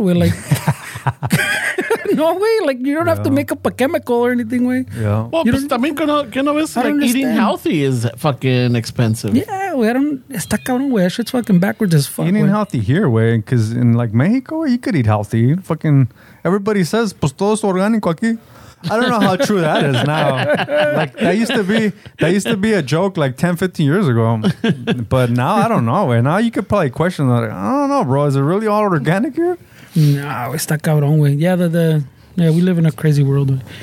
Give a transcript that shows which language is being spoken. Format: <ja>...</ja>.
<en>We're like, no way, like you don't have to make up a chemical or anything, wey. Yeah. Well,</en> <es>también que no ves,</es> <en>like eating healthy is fucking expensive. Yeah, wey, I don't.</en> <es>Está cabrón, wey.</es> <en>Shit's fucking backwards as fuck. Eating healthy here, wey, because in like Mexico, you could eat healthy. Fucking everybody says,</en> <es>pues todo es orgánico aquí.</es> <en>I don't know how true that is now. Like that used to be a joke like 10, 15 years ago. But now I don't know. And now you could probably question that. Like, I don't know, bro. Is it really all organic here? No, it's that</en> <es>cabrón, güey.</es> <en>Yeah, we live in a crazy world.</en>